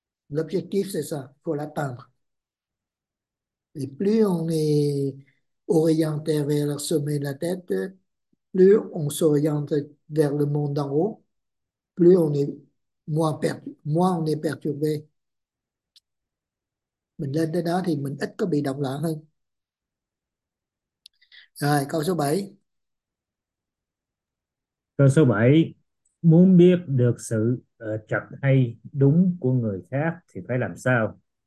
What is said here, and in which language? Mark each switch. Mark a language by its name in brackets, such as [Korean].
[French] L'objectif, c'est ça. Faut l'atteindre. Et plus on est orienté vers le sommet de la tête, plus on s'oriente vers le monde d'en haut, plus on est moins on est perturbé. [Vietnamese] Mình lên tới đó thì mình ít có bị động loạn hơn. Rồi, câu số 7. Câu số 7, muốn biết được sự chặt hay đúng của người khác thì phải làm sao?